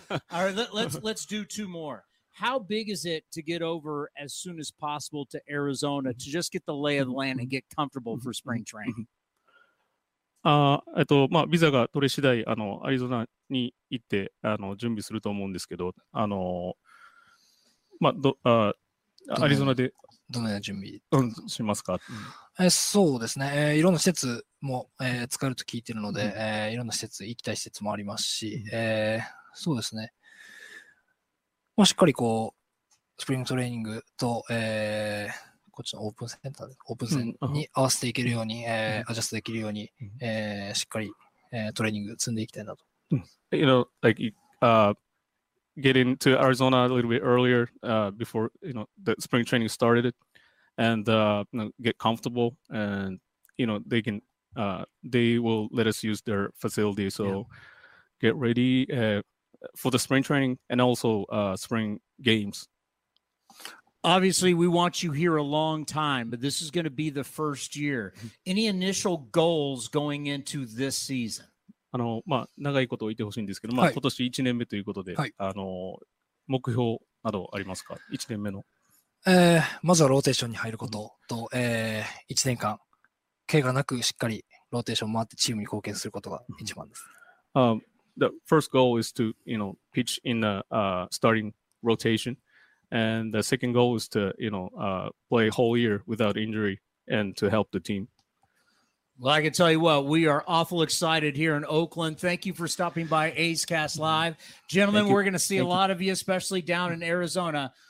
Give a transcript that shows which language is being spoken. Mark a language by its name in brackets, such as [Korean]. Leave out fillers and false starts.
[English] All right, let's do two more. How big is it to get over as soon as possible to Arizona to just get the lay of the land and get comfortable for spring training? [Japanese] まあ、ビザが取れ次第、あの、アリゾナに行って、あの、準備すると思うんですけど、あの、まあ、アリゾナでどのような準備しますか、うん、そうですね、いろんな施設も、使えると聞いているので、うん、いろんな施設行きたい施設もありますし、うん、そうですね、まあ、しっかりこうスプリングトレーニングと、こっちのオープンセンターでオープン戦に合わせていけるように、うん、アジャストできるように、うん、しっかり、トレーニング積んでいきたいなと、 [English] うん、You know, like, getting to Arizona a little bit earlier before, you know, the spring training started and you know, get comfortable and, you know, they can, they will let us use their facility. So yeah. Get ready for the spring training and also spring games. Obviously, we want you here a long time, but this is going to be the first year. Any initial goals going into this season? [Japanese] あのまあ、長いことを言ってほしいんですけど、まあ、今年1年目ということで、はい、あの目標などありますか1年目の、まずはローテーションに入ることと、うん1年間怪我なくしっかりローテーション回ってチームに貢献することが一番です、 [English] The first goal is to, you know, pitch in the starting rotation and the second goal is to, you know, play whole year without injury and to help the team Well, I can tell you what, we are awful excited here in Oakland. Thank you for stopping by A's Cast Live. Gentlemen, we're going to see a lot of you, especially down in Arizona.